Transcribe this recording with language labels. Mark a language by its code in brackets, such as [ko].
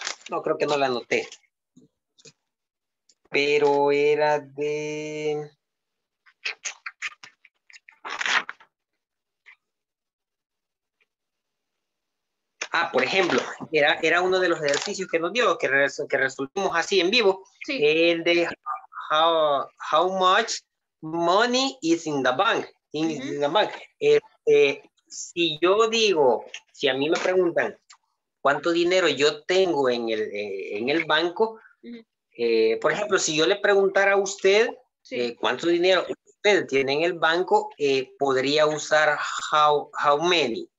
[es] No, creo que no la anoté. Pero era de... Ah, por ejemplo, era uno de los ejercicios que nos dio, que resolvimos así en vivo. Sí. El de [en] how much money is in the bank. Uh-huh. In the bank. [es] Si yo digo, si a mí me preguntan cuánto dinero yo tengo en el banco, uh-huh. Por ejemplo, si yo le preguntara a usted sí. Cuánto dinero usted tiene en el banco, podría usar [en] how many.